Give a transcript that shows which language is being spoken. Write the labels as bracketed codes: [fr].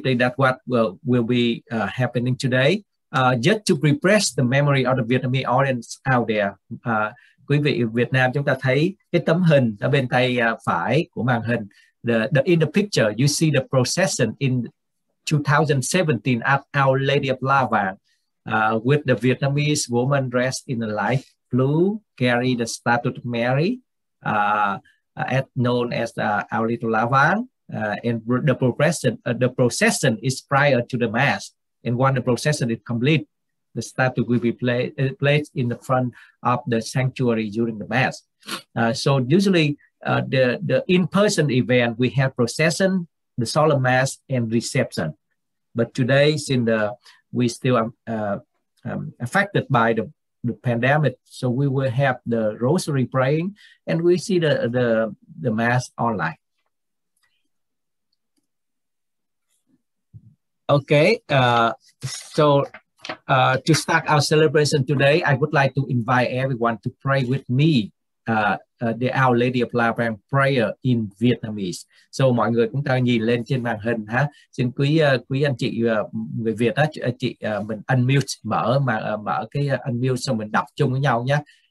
[en] So that's basically what will be happening today. Just to refresh the memory of the Vietnamese audience out there. [vi] Quý vị Việt Nam, chúng ta thấy cái tấm hình ở bên tay phải của màn hình. [en] In the picture, you see the procession in 2017 at Our Lady of Lavang with the Vietnamese woman dressed in a light blue, carry the statue of Mary, known as Our Lady of Lavang. And the procession is prior to the mass. And when the procession is complete, the statue will be placed in the front of the sanctuary during the mass. So usually the in-person event, we have procession, the solemn mass, and reception. But today, we still affected by the pandemic, so we will have the rosary praying, and we see the mass online. Okay, to start our celebration today, I would like to invite everyone to pray with me the Our Lady of Lavang prayer in Vietnamese. [vi] So mọi người cũng ta nhìn lên trên màn hình ha. Xin quý anh chị người Việt á, chị mình unmute unmute xong mình đọc chung với nhau nhé.